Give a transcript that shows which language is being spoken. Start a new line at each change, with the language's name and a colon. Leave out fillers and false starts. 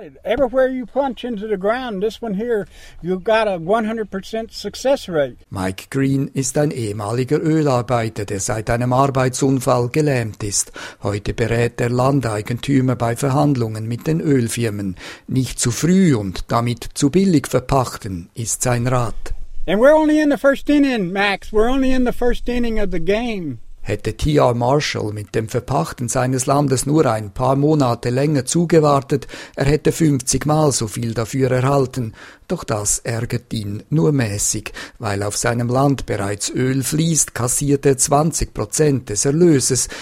English: Everywhere you punch into the ground, this one here, you've got a 100% success rate.
German: Mike Green ist ein ehemaliger Ölarbeiter, der seit einem Arbeitsunfall gelähmt ist. Heute berät er Landeigentümer bei Verhandlungen mit den Ölfirmen. Nicht zu früh und damit zu billig verpachten, ist sein Rat.
English: And we're only in the first inning, Max. We're only in the first inning of the game.
German: Hätte T.R. Marshall mit dem Verpachten seines Landes nur ein paar Monate länger zugewartet, er hätte 50-mal so viel dafür erhalten. Doch das ärgert ihn nur mäßig. Weil auf seinem Land bereits Öl fließt, kassiert er 20% des Erlöses.